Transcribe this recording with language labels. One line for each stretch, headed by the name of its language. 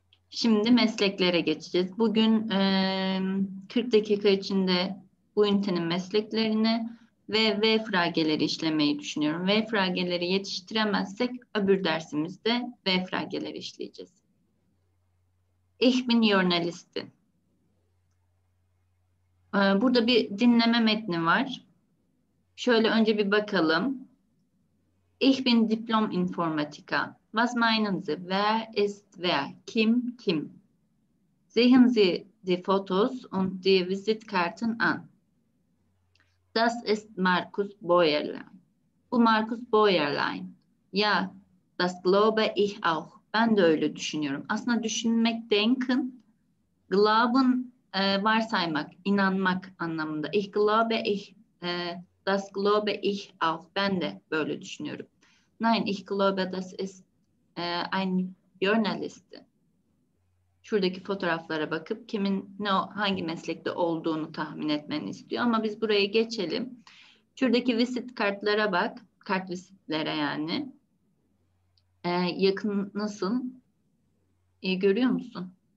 Turkish: Şimdi mesleklere geçeceğiz. Bugün 40 dakika içinde bu ünitenin mesleklerini ve V frageleri işlemeyi düşünüyorum. V fragelerini yetiştiremezsek öbür dersimizde V frageleri işleyeceğiz.
German: Ich bin Journalistin.
Turkish: Burada bir dinleme metni var. Şöyle önce bir bakalım.
German: Ich bin Diplom Informatiker. Was meinen Sie? Wer ist wer?
Turkish: Kim kim?
German: Sehen Sie die Fotos und die Visitkarten an. Das ist Markus Bäuerlein. Bu Markus Bäuerlein. Ja, das glaube ich auch.
Turkish: Ben de öyle düşünüyorum. Aslında düşünmek, denken, glauben varsaymak, inanmak anlamında.
German: Ich glaube ich, das glaube ich auch.
Turkish: Ben de böyle düşünüyorum.
German: Nein, ich glaube das ist ein Journalist.
Turkish: Şuradaki fotoğraflara bakıp kimin ne hangi meslekte olduğunu tahmin etmeni istiyor. Ama biz buraya geçelim. Şuradaki visit kartlara bak. Kart visitlere yani. Yakın nasıl? İyi görüyor musun?